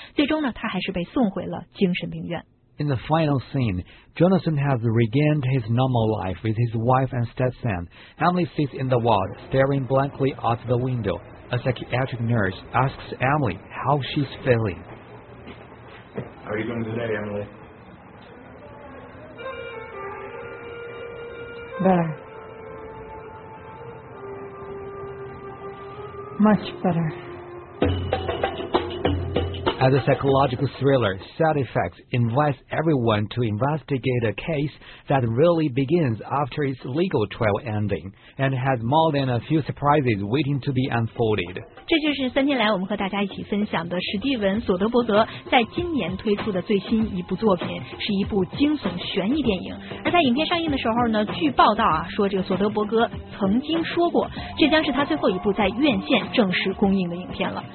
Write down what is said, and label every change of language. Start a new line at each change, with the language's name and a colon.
Chinese: 最终呢，她还是被送回了精神病院。
English: In the final scene, Jonathan has regained his normal life with his wife and stepson. Emily sits in the ward, staring blankly out the window. A psychiatric nurse asks Emily how she's feeling. How are you doing today, Emily? Better. Much better. As a psychological thriller, Side Effects invites everyone to investigate a case that really begins after its legal trial ending and has more than a few surprises waiting to be unfolded.
Chinese: 这就是三天来我们和大家一起分享的史蒂文·索德伯格在今年推出的最新一部作品，是一部惊悚悬疑电影。而在影片上映的时候呢，据报道啊，说这个索德伯格曾经说过，这将是他最后一部在院线正式公映的影片了。